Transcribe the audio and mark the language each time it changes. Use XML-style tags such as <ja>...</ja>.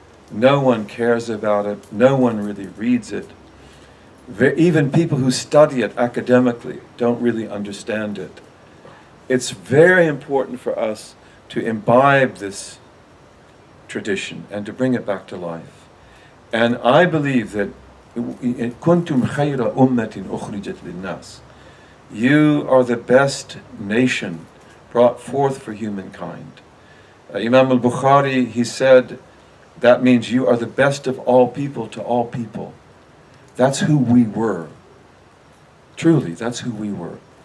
<en>No one cares about it. No one really reads it. Even people who study it academically don't really understand it. It's very important for us to imbibe this tradition and to bring it back to life.</en> <ar>And I believe that كُنْتُمْ خَيْرَ أُمَّةٍ أُخْرِجَتْ لِلنَّاسِ.</ar> <en>You are the best nation brought forth for humankind. Imam al-Bukhari, he said, that means you are the best of all people to all people. That's who we were. Truly, that's who we were.</en>